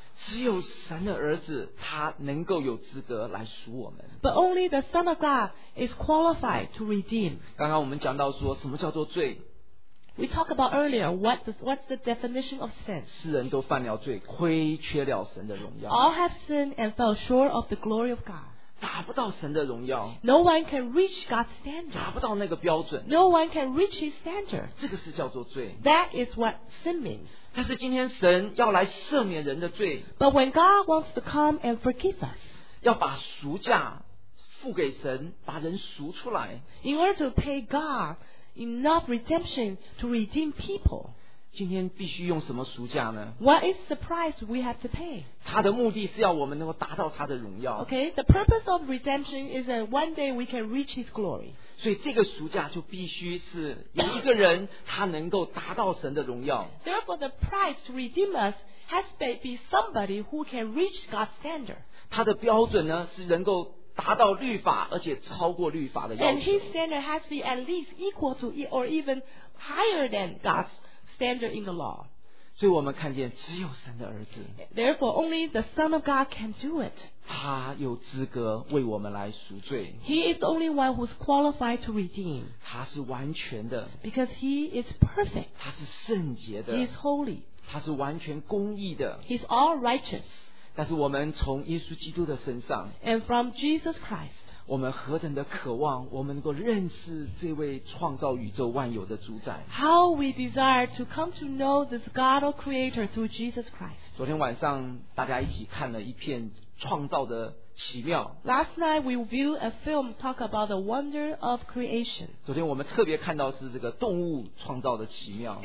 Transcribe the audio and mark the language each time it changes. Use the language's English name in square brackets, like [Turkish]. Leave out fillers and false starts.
[Chinese] 只有神的儿子他能够有资格来赎我们。 [English] But only the Son of God is qualified to redeem. [Chinese] 刚刚我们讲到说什么叫做罪。 [English] We talked about earlier what's the definition of sin. [Chinese] 世人都犯了罪，亏缺了神的荣耀。 [English] All have sinned and fell short of the glory of God. [Chinese] 达不到神的荣耀。 [English] No one can reach God's standard. [Chinese] 达不到那个标准。 [English] No one can reach His standard. [Chinese] 这个是叫做罪。 [English] That is what sin means. [Chinese] 但是今天神要来赦免人的罪。 [English] But when God wants to come and forgive us. [Chinese] 要把赎价付给神，把人赎出来。 [English] In order to pay God. Enough redemption to redeem people. [Chinese] 今天必须用什么赎价呢？ [English] What is the price we have to pay? [Chinese] 他的目的是要我们能够达到他的荣耀。 [English] Okay, the purpose of redemption is that one day we can reach his glory. [Chinese] 所以这个赎价就必须是一个人他能够达到神的荣耀。 [English] Therefore, the price to redeem us has to be somebody who can reach God's standard. [Chinese] 他的标准呢是能够达到律法，而且超过律法的要求。 [English] And his standard has to be at least equal to or even higher than God's standard in the law. [Chinese] 所以我们看见只有神的儿子。 [English] Therefore, only the Son of God can do it. [Chinese] 他有资格为我们来赎罪。 [English] He is the only one who's qualified to redeem. [Chinese] 他是完全的。 [English] Because he is perfect. [Chinese] 他是圣洁的。 [English] He is holy. [Chinese] 他是完全公义的。 [English] He's all righteous. [Chinese] 但是我们从耶稣基督的身上 [English] And from Jesus Christ [Chinese] 我们何等的渴望我们能够认识这位创造宇宙万有的主宰。 [English] How we desire to come to know this God or Creator through Jesus Christ. [Chinese] 昨天晚上大家一起看了一片创造的奇妙。 [English] Last night we viewed a film talk about the wonder of creation. [Chinese] 昨天我们特别看到是这个动物创造的奇妙。